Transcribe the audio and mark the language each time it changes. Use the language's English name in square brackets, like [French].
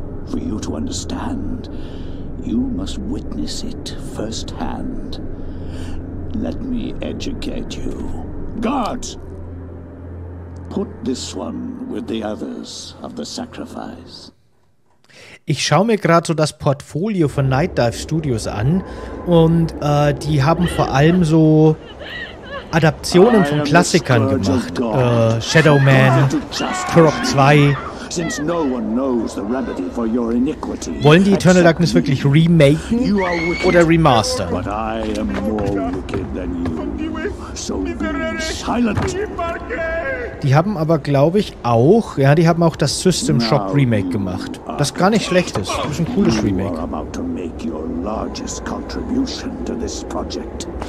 [English] For you to understand, you must witness it firsthand. Let me educate you. Guards! Put this one with the others of the sacrifice. [German] Ich schaue mir gerade so das Portfolio von Night Dive Studios an und die haben vor allem so Adaptionen von Klassikern gemacht. [English] Shadow Man, Turok 2. Since no one knows the remedy for your iniquity, [German] wollen die Eternal Darkness wirklich remaken oder remastern? [English] But I am more wicked than you. So silent. [German] Die haben aber, glaube ich, auch, ja, die haben auch das System Shock Remake gemacht. Das gar nicht schlecht ist. Das ist ein cooles Remake. [English] You are about to make your largest contribution to this project.